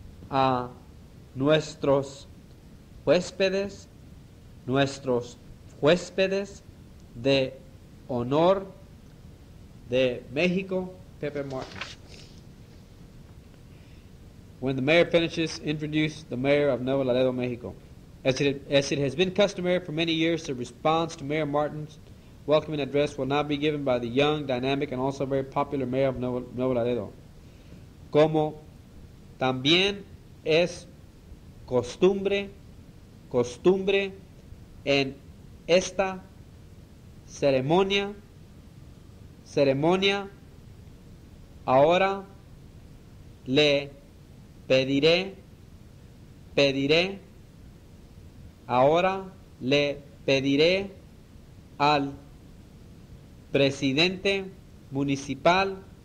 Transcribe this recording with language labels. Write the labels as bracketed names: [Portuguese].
[Spanish] a nuestros huéspedes de honor de México. Pepe Martin. [English] When the mayor finishes, introduce the mayor of Nuevo Laredo, Mexico. As it has been customary for many years, the response to Mayor Martin's welcoming address will now be given by the young, dynamic, and also very popular mayor of Nuevo Laredo. [Spanish] Como también es costumbre en esta ceremonia, ahora le pediré al presidente municipal